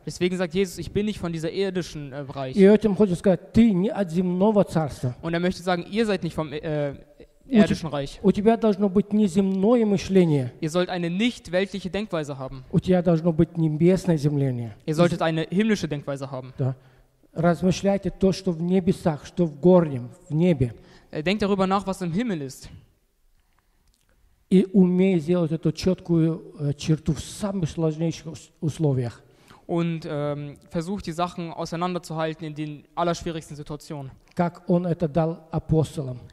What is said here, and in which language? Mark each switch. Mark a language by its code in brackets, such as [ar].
[de] Deswegen sagt Jesus, ich bin nicht von dieser irdischen Reich. [ru] И этим хочет сказать, ты не от земного царства. [de] Und möchte sagen, ihr seid nicht vom irdischen Reich. [ru] У тебя должно быть не земное мышление. [de] Ihr sollt eine nicht weltliche Denkweise haben. [ru] У тебя должно быть небесное земление. [de] Ihr solltet eine himmlische Denkweise haben. [ru] Да. Размышляйте то, что в небесах, что в горнем, в небе. [de] Denkt darüber nach, was im Himmel ist. [ru] И умей сделать эту четкую черту в самых сложнейших условиях. [de] Und versuch die Sachen auseinanderzuhalten in den allerschwierigsten Situationen. [ru] Как он это дал апостолам.